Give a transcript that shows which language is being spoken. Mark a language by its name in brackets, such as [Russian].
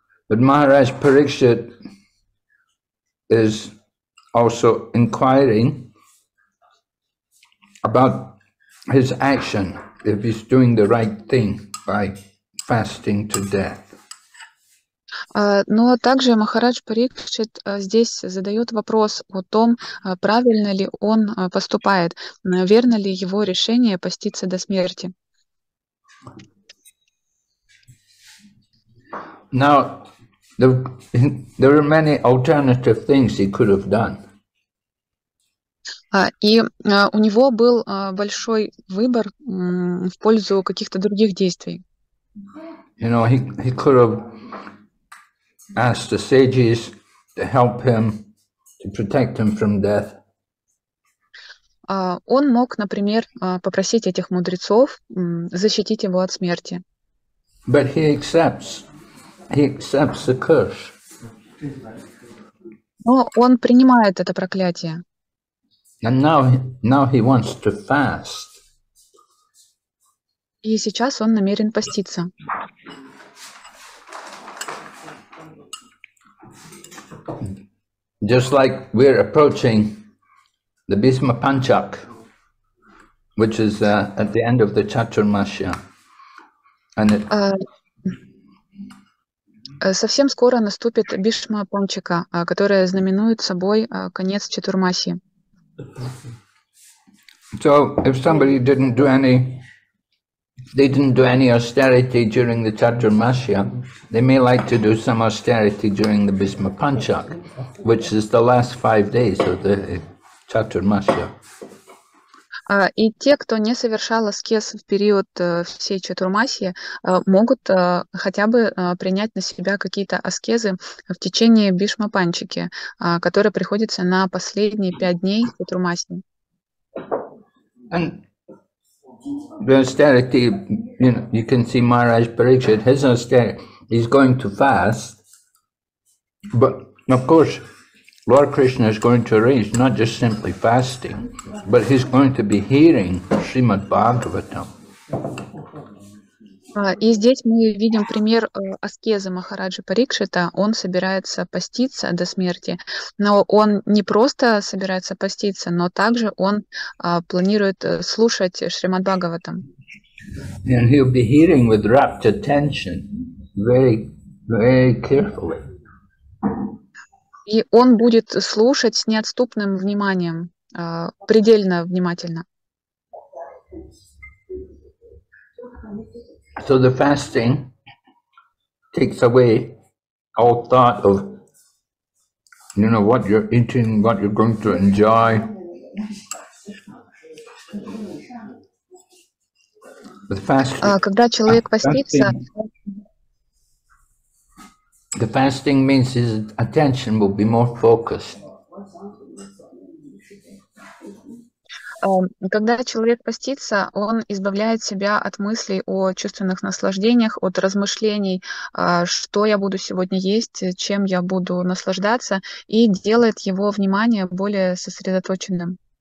[English] But Maharaj Parikshit is also inquiring about his action, if he's doing the right thing by fasting to death. [Russian] Но также Махарадж Парикшит здесь задает вопрос о том, правильно ли он поступает, верно ли его решение поститься до смерти. [English] Now, there are many alternative things he could have done. [Russian] И у него был большой выбор в пользу каких-то других действий. [English] You know, he could have asked the sages to help him, to protect him from death. [Russian] Он мог, например, попросить этих мудрецов защитить его от смерти. [English] But he accepts the curse. [Russian] Но он принимает это проклятие. [English] And now he wants to fast. [Russian] И сейчас он намерен поститься. [English] Just like we're approaching the Bhishma Panchak, which is at the end of the Chaturmasya. And it [Russian] совсем скоро наступит Бишма Панчака, которая знаменует собой конец Чатурмаси. [English] So, if somebody didn't do any austerity during the Chaturmasya, they may like to do some austerity during the Bhishma Panchak, which is the last 5 days of the Chaturmasya. [Russian] И те, кто не совершал аскез в период всей Чатурмаси, могут хотя бы принять на себя какие-то аскезы в течение Бишма Панчики, которые приходятся на последние 5 дней Чатурмаси. [English] And the austerity, you know, you can see Maharaj Parikshit, his austerity, he's going to fast, but of course Lord Krishna is going to arrange not just simply fasting, but he's going to be hearing Srimad Bhagavatam. [Russian] И здесь мы видим пример аскезы Махараджи Парикшита. Он собирается поститься до смерти, но он не просто собирается поститься, но также он планирует слушать Шримад Бхагаватам. [English] And he'll be hearing with rapt attention, very, very carefully. [Russian] И он будет слушать с неотступным вниманием, предельно внимательно. [English] So the fasting takes away all thought of, you know, what you're eating, what you're going to enjoy. The fasting. [Russian] Когда человек постится. [English] The fasting means his attention will be more focused. [Russian] Когда человек постится, он избавляет себя от мыслей о чувственных наслаждениях, от размышлений, что я буду сегодня есть, чем я буду наслаждаться, и делает его внимание более сосредоточенным.